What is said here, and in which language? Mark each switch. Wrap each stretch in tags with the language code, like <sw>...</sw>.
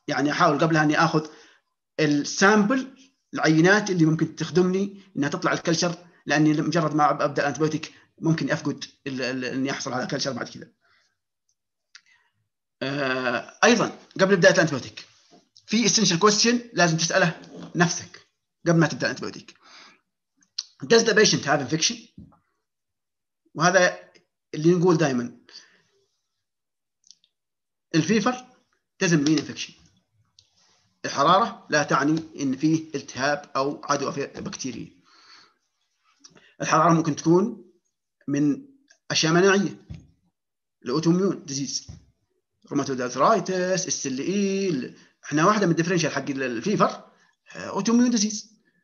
<ar>يعني احاول قبلها اني اخذ السامبل العينات اللي ممكن تخدمني انها تطلع الكلشر لاني مجرد ما ابدا انتيبيوتيك ممكن افقد اني احصل على كلشر بعد كذا. ايضا قبل بدايه الانتيبيوتيك في اسينشال كويستشن لازم تساله نفسك قبل ما تبدا الانتيبيوتيك.</ar> <en>Does the patient have infection؟</en> <ar>وهذا اللي نقول دائما الفيفر</ar> <en>doesn't mean infection.</en> <ar>الحرارة لا تعني إن فيه التهاب أو عدوى بكتيرية. الحرارة ممكن تكون من أشياء مناعية. الأوتوميون ديزيز. روماتويد أرثرايتس، السليل. إحنا واحدة من الديفرنشال حق الفيفر أوتوميون ديزيز.</ar>